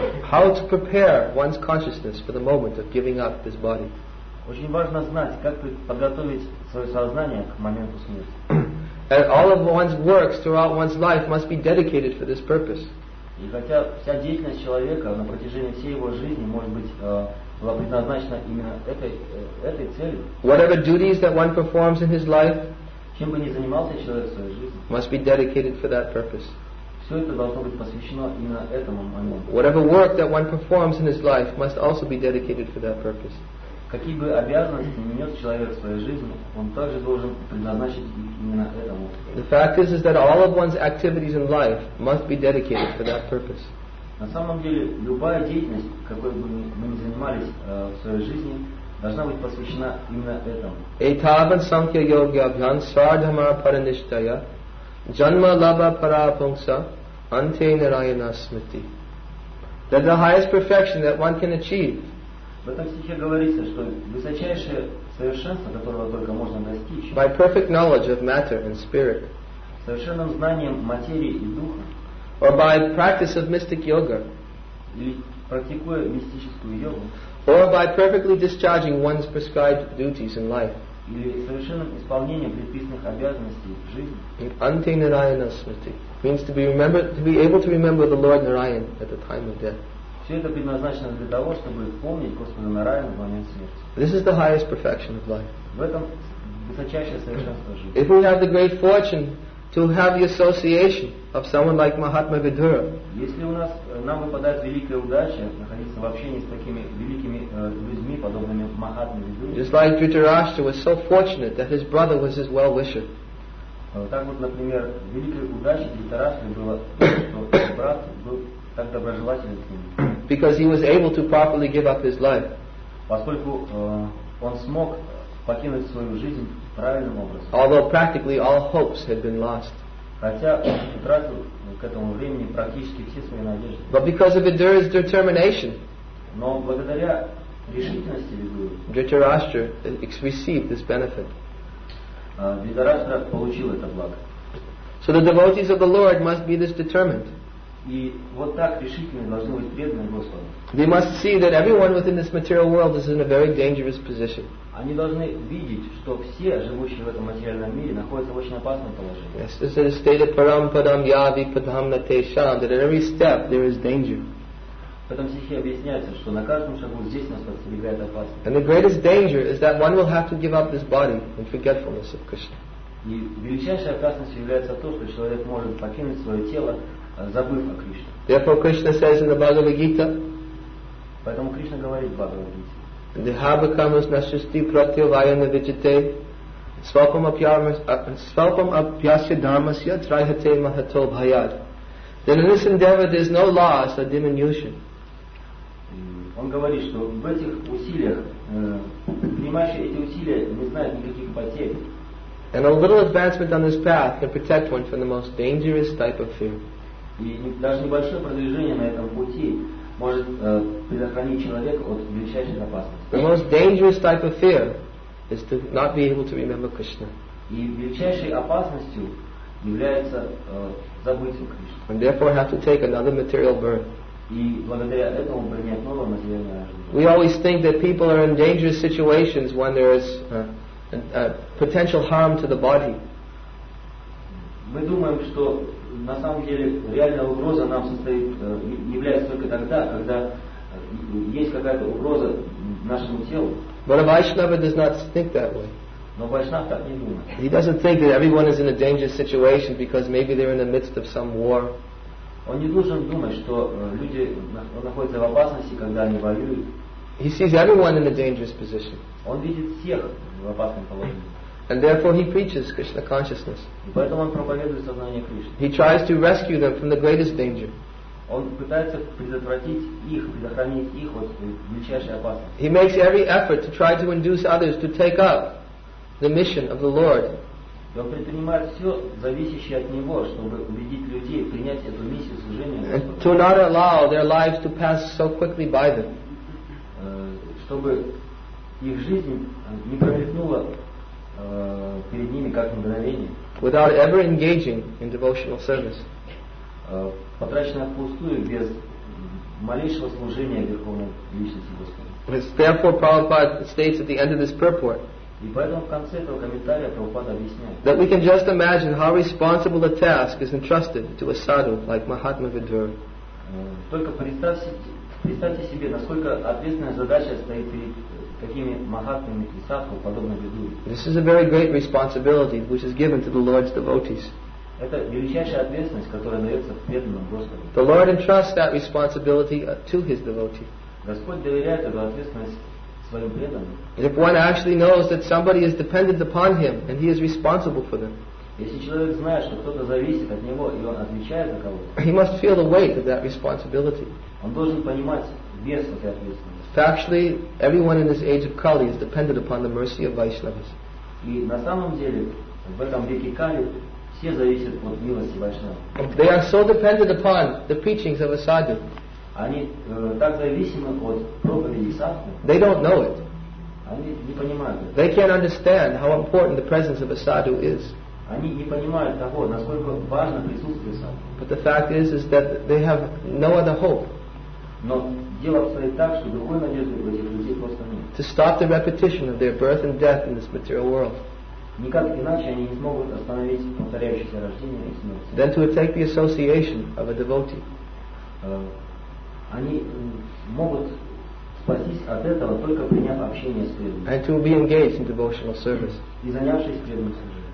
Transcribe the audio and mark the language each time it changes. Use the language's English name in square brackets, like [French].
[English] How to prepare one's consciousness for the moment of giving up this body. [Russian] Очень важно знать, как подготовить свое сознание к моменту смерти. [English] And all of one's works throughout one's life must be dedicated for this purpose. [Russian] И хотя вся деятельность человека на протяжении всей его жизни может быть была предназначена именно этой, этой целью. [English] Whatever duties that one performs in his life, [Russian] чем бы ни занимался человек в своей жизни, [English] must be dedicated for that purpose. [Russian] Все это должно быть посвящено именно этому моменту. [English] Whatever work that one performs in his life must also be dedicated for that purpose. [Russian] Какие бы обязанности ни нес человек в своей жизни, он также должен предназначить их именно этому. [English] The fact is that all of one's activities in life must be dedicated for that purpose. [Russian] На самом деле, любая деятельность, какой бы мы ни занимались в своей жизни, должна быть посвящена именно этому. [Sanskrit] Этаван самхья йоги абьян сардхама паранишчая Janma lava para pungsa ante narayana smriti. [English] That the highest perfection that one can achieve. [Russian] В этом стихе говорится, что высочайшее совершенство, которого только можно достичь. [English] By perfect knowledge of matter and spirit. [Russian] Совершенным знанием материи и духа. [English] Or by practice of mystic yoga. [Russian] Или практикуя мистическую йогу. [English] Or by perfectly discharging one's prescribed duties in life. [Russian] Или совершенным исполнением предписанных обязанностей в жизни. [English] Ante Narayana Smriti means to be remembered, to be able to remember the Lord Narayan at the time of death. [Russian] Все это предназначено для того, чтобы помнить Господа Нараяна в момент смерти. [English] This is the highest perfection of life. [Russian] В этом высочайшее совершенство жизни. [English] If we have the great fortune to have the association of someone like Mahatma Vidura. [Russian] Если у нас нам выпадает великая удача находиться в общении с такими великими людьми, подобными Махатме Видуре. [English] Just like Dhritarashtra was so fortunate that his brother was his well-wisher. [Russian] Так вот, например, великой удачей Дхритарашты было то, что брат был так доброжелателен к ним. [English] Because he was able to properly give up his life. [Russian] Поскольку он смог покинуть свою жизнь правильным образом. [English] Although practically all hopes had been lost. [Russian] Хотя он утратил к этому времени практически все свои надежды. [English] But because of Vidura's determination, [Russian] но благодаря решительности Vidura, [English] Dhritarashtra received this benefit. [Russian] Vidarashtra получил это благо. [English] So the devotees of the Lord must be this determined. [Russian] И вот так решительные должны быть преданные Господу. [English] They must see that everyone within this material world is in a very dangerous position. [Russian] Они должны видеть, что все живущие в этом материальном мире находятся в очень опасном положении. [English] Yes, this is stated [Sanskrit] param padam yavi padam na tesham, [English] that at every step there is danger. [Russian] В этом стихе объясняется, что на каждом шагу здесь нас подстерегает опасность. [English] And the greatest danger is that one will have to give up this body in forgetfulness of Krishna. [Russian] И величайшей опасностью является то, что человек может покинуть свое тело, забыв о Кришне. [English] Therefore Krishna says in the Bhagavad Gita. [Russian] Поэтому Кришна говорит в Бхагавад Гите. [Sanskrit] Dehabakamas nashasti pratyavayana vijate svapam apyasya dharmasya trihate mahato bhayad. [English] Then in this endeavor there is no loss or diminution. [Russian] Он говорит, что в этих усилиях, принимающие эти усилия, не знают никаких потерь. [English] And a little advancement on this path can protect one from the most dangerous type of fear. [Russian] И даже небольшое продвижение на этом пути может предохранить человека от величайшей опасности. [English] The most dangerous type of fear is to not be able to remember Krishna. [Russian] И величайшей опасностью является забыть о Кришне. [English] And therefore have to take another material birth. [Russian] И благодаря этому принять новое материальное рождение. [English] We always think that people are in dangerous situations when there is a potential harm to the body. [Russian] Мы думаем, что на самом деле реальная угроза нам состоит, является только тогда, когда есть какая-то угроза нашему телу. [English] But a Vaishnava does not think that way. [Russian] Но Вайшнава так не думает. [English] He doesn't think that everyone is in a dangerous situation because maybe they're in the midst of some war. [Russian] Он не должен думать, что люди находятся в опасности, когда они воюют. [English] He sees everyone in a dangerous position. [Russian] Он видит всех в опасном положении. [English] And therefore he preaches Krishna consciousness. [Russian] Поэтому он проповедует сознание Кришны. [English] He tries to rescue them from the greatest danger. [Russian] Он пытается предотвратить их, предохранить их от величайшей опасности. [English] He makes every effort to try to induce others to take up the mission of the Lord. [Russian] И он предпринимает все зависящее от него, чтобы убедить людей принять эту миссию служения. [English] And to not allow their lives to pass so quickly by them. [Russian] Чтобы их жизнь не промелькнула перед ними как мгновение. [English] Without ever engaging in devotional service. [Russian] Потрачено впустую без малейшего служения Верховной Личности Господа. [English] Therefore Prabhupada states at the end of this purport. [Russian] И поэтому в конце этого комментария Прабхупада объясняет. [English] That we can just imagine how responsible the task is entrusted to a sadhu like Mahatma Vidura. [Russian] Только представьте себе, насколько ответственная задача стоит перед такими махатмами и садху, подобными людьми. [English] This is a very great responsibility which is given to the Lord's devotees. [Russian] Это величайшая ответственность, которая дается преданным Господу. [English] The Lord entrusts that responsibility to His devotee. [Russian] Господь доверяет эту ответственность своим преданным. [English] If one actually knows that somebody is dependent upon him and he is responsible for them, [Russian] если человек знает, что кто-то зависит от него и он отвечает за кого-то, [English] he must feel the weight of that responsibility. [Russian] Он должен понимать вес этой ответственности. [English] Factually, everyone in this age of Kali is dependent upon the mercy of Vaishnavas. [Russian] И на самом деле в этом веке Кали все зависят от милости Вайшнавов. [English] They are so dependent upon the preachings of a sadhu. [Russian] Они так зависимы от проповеди садху. [English] They don't know it. [Russian] Они не понимают. [English] They can't understand how important the presence of a sadhu is. [Russian] Они не понимают того, насколько важно присутствие садху. [English] But the fact is that they have no other hope. [Russian] Но дело обстоит так, что другой надежды у этих людей просто нет. [English] To stop the repetition of their birth and death in this material world. [Russian] Никак иначе они не смогут остановить повторяющиеся рождения и смерти. [English] Then to attack the association of a devotee. [Russian] Они могут спастись от этого, только приняв общение с преданным. [English] And to be engaged in devotional service. [Russian] И занявшись преданным служением.